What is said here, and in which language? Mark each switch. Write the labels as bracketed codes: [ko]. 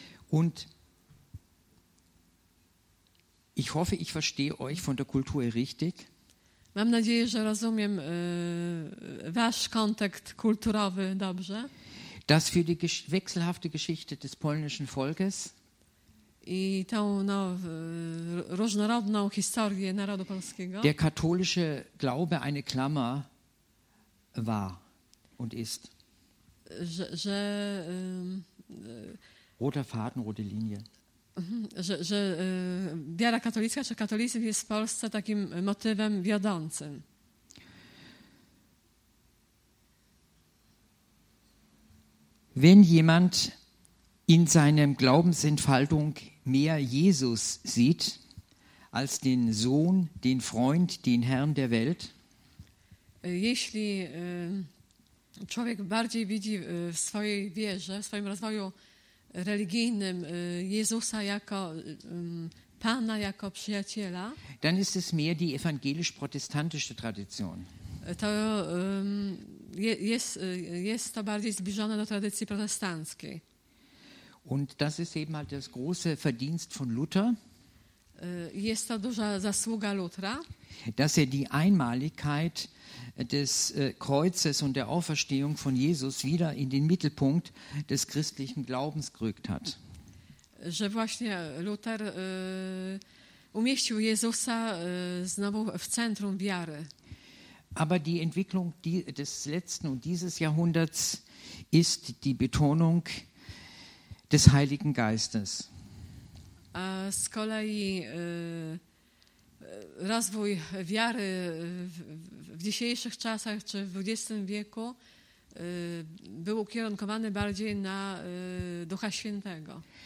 [de] Und ich hoffe, ich verstehe euch von der Kultur richtig. [pl] Mam nadzieję, że rozumiem wasz kontekst kulturowy dobrze. [de] Das für die wechselhafte Geschichte des polnischen Volkes. [pl] I tą no, różnorodną historię narodu polskiego. [de] Der katholische Glaube eine Klammer war und ist. [pl] Że [de] roter Faden, rote Linie. [pl] Że wiara katolicka czy katolicyzm jest w Polsce takim motywem wiodącym. [de] Wenn jemand in seinem Glaubensentfaltung mehr Jesus sieht als den Sohn, den Freund, den Herrn der Welt. [pl] Jeśli człowiek bardziej widzi w swojej wierze, w swoim rozwoju religijnym Jezusa jako Pana, jako przyjaciela, [de] dann ist es mehr die evangelisch-protestantische Tradition. [pl] To jest to bardziej zbliżone do tradycji protestanckiej. [de] Und das ist eben halt das große Verdienst von Luther. [pl] Jest to duża zasługa Lutra, [de] dass er die Einmaligkeit des Kreuzes und der Auferstehung von Jesus wieder in den Mittelpunkt des christlichen Glaubens gerückt hat. [pl] Że właśnie Luther umieścił Jezusa znowu w centrum wiary. [de] Aber die Entwicklung des letzten und dieses Jahrhunderts ist die Betonung des Heiligen Geistes. [pl] A z kolei rozwój wiary w dzisiejszych czasach czy w XX wieku był ukierunkowany bardziej na Ducha Świętego.